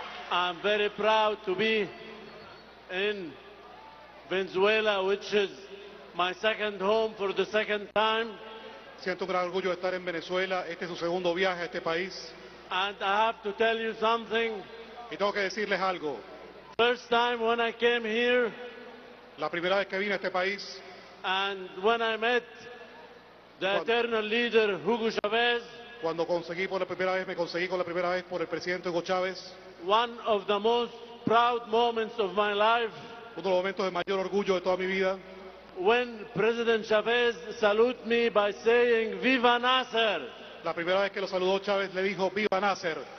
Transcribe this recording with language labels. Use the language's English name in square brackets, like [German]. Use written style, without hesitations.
[English] I'm very proud to be in Venezuela, which is my second home for the second time. [Spanish] Siento un gran orgullo de estar en Venezuela. Este es su segundo viaje a este país. [English] And I have to tell you something. [Spanish] Y tengo que decirles algo. [English] First time when I came here. [Spanish] La primera vez que vine a este país. [English] And when I met the eternal leader Hugo Chávez. [Spanish] Cuando conseguí por la primera vez, me conseguí con la primera vez por el presidente Hugo Chávez. [English] One of the most proud moments of my life. [Spanish] Uno de los momentos de mayor orgullo de toda mi vida. [English] When President Chavez saluted me by saying "Viva Nasser." [Spanish] La primera vez que lo saludó Chávez le dijo "Viva Nasser."